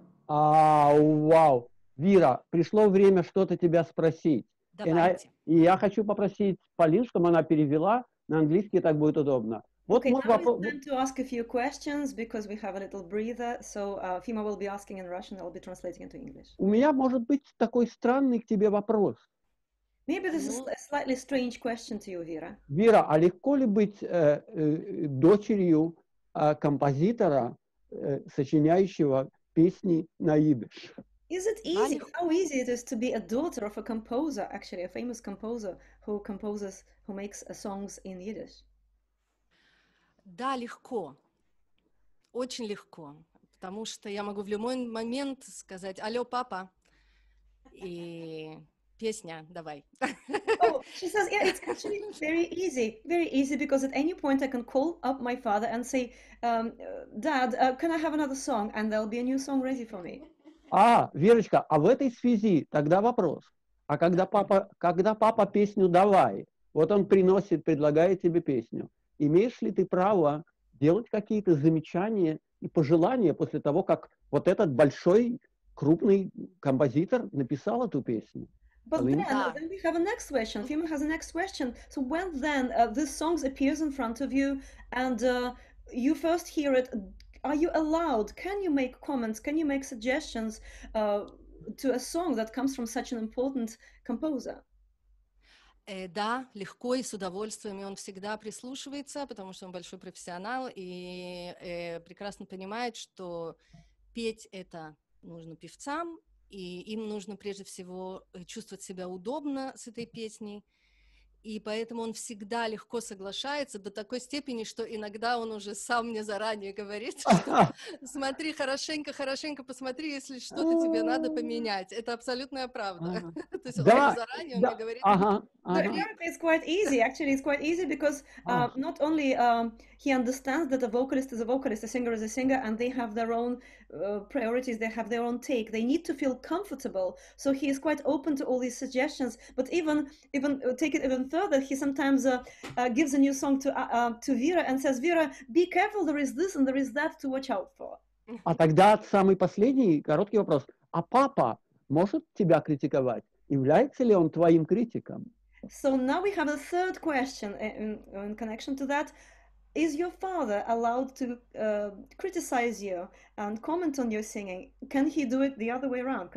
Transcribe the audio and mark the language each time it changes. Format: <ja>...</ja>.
<ru>А, вау, Вира, пришло время что-то тебя спросить. И я хочу попросить Полин, чтобы она перевела на английский, так будет удобно.</ru> <en>Вот okay, now it's time to ask a few questions because we have a little breather. So Fima will be asking in Russian, I'll be translating into English.</en> <ru>У меня может быть такой странный к тебе вопрос.</ru> <en>Maybe this is a slightly strange question to you, Vira.</en> <ru>Вира, а легко ли быть дочерью композитора, сочиняющего песни на идиш?</ru> <en>Is it easy? How easy it is to be a daughter of a composer, actually a famous composer who composes, who makes songs in Yiddish?</en> <ru>Да, легко. Очень легко. Потому что я могу в любой момент сказать «Алло, папа!» и «Песня, давай!»</ru> <en>Oh, she says, yeah, it's actually very easy, because at any point I can call up my father and say, «Dad, can I have another song?» and there'll be a new song ready for me.</en> <ru>А, Верочка, а в этой связи тогда вопрос. А когда папа песню «Давай», вот он приносит, предлагает тебе песню, имеешь ли ты право делать какие-то замечания и пожелания после того, как вот этот большой, крупный композитор написал эту песню?</ru> <en>But then, we have a next question. Fima has a next question. So when then this song appears in front of you and you first hear it, are you allowed, can you make comments, can you make suggestions to a song that comes from such an important composer?</en> <ru>Да, легко и с удовольствием, и он всегда прислушивается, потому что он большой профессионал и прекрасно понимает, что петь это нужно певцам, и им нужно прежде всего чувствовать себя удобно с этой песней. И поэтому он всегда легко соглашается до такой степени, что иногда он уже сам мне заранее говорит, что смотри, хорошенько, хорошенько посмотри, если что-то тебе надо поменять. Это абсолютная правда. То есть он заранее мне говорит.</ru> <en>It's quite easy, actually, it's quite easy, because not only he understands that a vocalist is a vocalist, a singer is a singer, and they have their own priorities, they have their own take, they need to feel comfortable, so he is quite open to all these suggestions, but even take it even further, he sometimes gives a new song to Vira and says, Vira, be careful, there is this and there is that to watch out for.</en> <ru>А тогда самый последний короткий вопрос, а папа может тебя критиковать? Является ли он твоим критиком?</ru> <en>So now we have a third question in connection to that. Is your father allowed to criticize you and comment on your singing? Can he do it the other way around?</en>